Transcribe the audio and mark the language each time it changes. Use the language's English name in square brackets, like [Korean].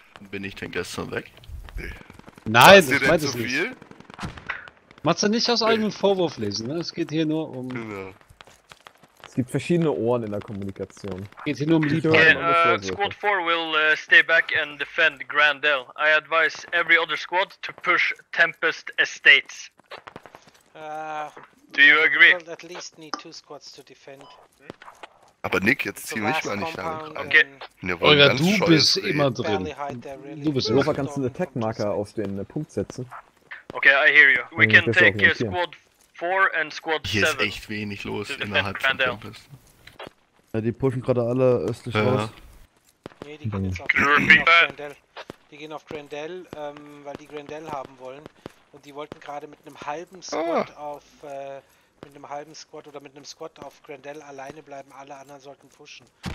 [German] Bin ich denn gestern weg? Nee. Nein, ich meinte zu viel? Nicht. Machst du nicht aus eigenem Vorwurf lesen, ne? Es geht hier nur um... Es gibt verschiedene Ohren in der Kommunikation. Es geht hier nur um die Hörer. [English] Squad 4 will stay back and defend Grandel. I advise every other squad to push Tempest Estates. Do you agree? We'll at least need two squads to defend. [German] Aber Nick, jetzt zieh mich mal nicht lang. Okay. Olga, du bist immer drin. Du bist Hofer, kannst du einen Attack-Marker auf den Punkt setzen? [English] Okay, I hear you. We can take squad 4 and squad 7. [German] Hier ist echt wenig los innerhalb von Tempest. Ja, die pushen gerade alle östlich raus. Nee, die gehen jetzt auf Grendel. Die gehen auf Grendel, weil die Grendel haben wollen. Und die wollten gerade mit einem halben Squad auf mit einem halben Squad oder mit einem Squad auf Grendel alleine bleiben, alle anderen sollten pushen.